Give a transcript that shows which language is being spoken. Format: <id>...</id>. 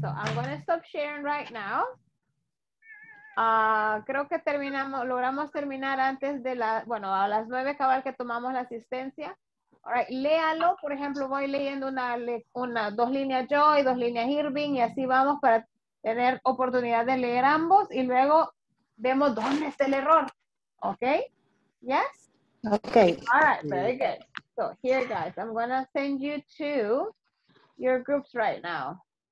<en>So I'm going to stop sharing right now.</en> <es>Creo que logramos terminar antes de la, bueno, a las 9 cabal que tomamos la asistencia.</es> <en>All right.</en> <es>Léalo. Por ejemplo, voy leyendo dos líneas yo y dos líneas Irving y así vamos para tener oportunidad de leer ambos y luego vemos dónde está el error.</es> <en>¿Ok? ¿Yes? Ok. All right, very good. So here, guys, I'm going to send you to your groups right now.</en>